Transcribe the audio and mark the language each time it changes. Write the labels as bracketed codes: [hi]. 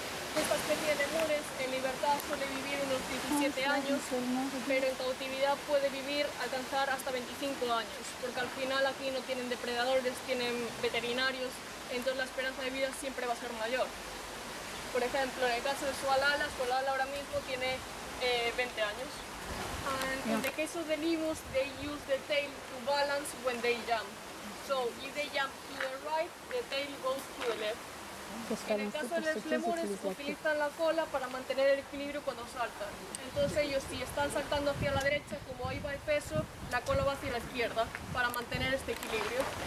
[es] Esta especie de lemures en libertad suele vivir unos 17 años, pero en cautividad puede vivir, alcanzar hasta 25 años, porque al final aquí no tienen depredadores, tienen veterinarios, entonces la esperanza de vida siempre va a ser mayor. Por ejemplo, en el caso de su alala ahora mismo tiene 20 años. [en] And in the case of the lemurs, they use the tail to balance when they jump. So if they jump to the right, the tail goes to the left. [es] En el caso de los lemures, utilizan la cola para mantener el equilibrio cuando saltan. Entonces ellos, si están saltando hacia la derecha, como ahí va el peso, la cola va hacia la izquierda para mantener este equilibrio.